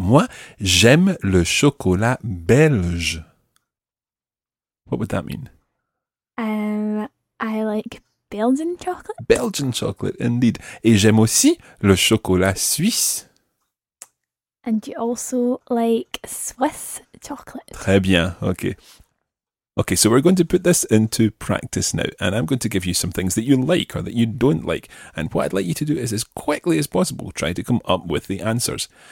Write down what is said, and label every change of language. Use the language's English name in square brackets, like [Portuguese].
[French] Moi, j'aime le chocolat belge. [English] What would that mean? I like Belgian chocolate. Belgian chocolate, indeed. [French] Et j'aime aussi le chocolat suisse. [English] And you also like Swiss chocolate. [French] Très bien, okay. [English] Okay, so we're going to put this into practice now, and I'm going to give you some things that you like or that you don't like. And what I'd like you to do is, as quickly as possible, try to come up with the answers.